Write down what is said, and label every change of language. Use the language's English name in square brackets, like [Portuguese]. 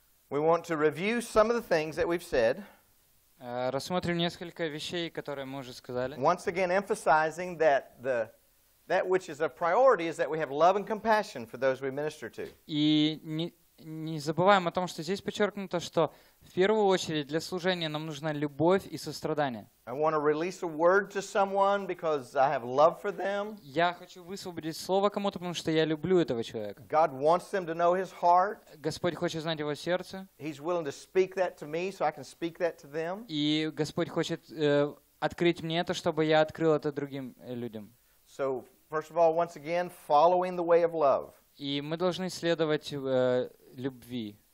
[English] We want to review some of the things that we've said. [Russian] Рассмотрим несколько вещей, которые мы уже сказали. [English] Once again, emphasizing that that which is a priority is that we have love and compassion for those we minister to. [Russian] И не забываем о том, что здесь подчеркнуто, что в первую очередь для служения нам нужна любовь и сострадание. [English] I want to release a word to someone because I have love for them. [Russian] Я хочу высвободить слово кому-то, потому что я люблю этого человека. [English] God wants them to know His heart. [Russian] Господь хочет знать его сердце. [English] He's willing to speak that to me so I can speak that to them. [Russian] И Господь хочет открыть мне это, чтобы я открыл это другим людям. [English] So First of all, once again, following the way of love. [Russian] И мы должны следовать любви.